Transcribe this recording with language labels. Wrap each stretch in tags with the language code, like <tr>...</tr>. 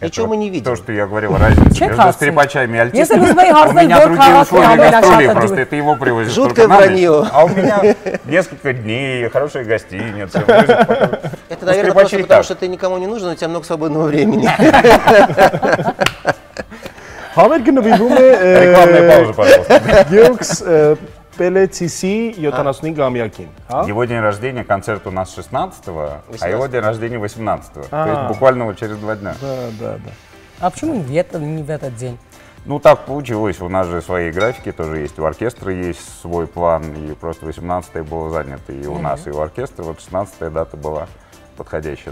<ru>Ничего мы не видим. То, что я говорил, разница между скрипачами и альтистами. У меня другие условия гастролей просто. Это его привозит. Жуткое вранье. А у меня несколько дней, хорошая гостиница. Это, наверное, просто потому, что ты никому не нужен, у тебя много свободного времени.</ru> <hy>Համերգը նվիրվում է Գյուրգս Պելեցիսի 75-ամյակին.</hy> <ru>Его день рождения, концерт у нас 16-го, а его день рождения 18-го. То есть буквально вот через два дня. Да, да, да. А почему не в этот день? Ну так получилось, у нас же свои графики тоже есть, у оркестра есть свой план, и просто 18-е было занято и у нас, и у оркестра, вот 16-я дата была подходящая.</ru>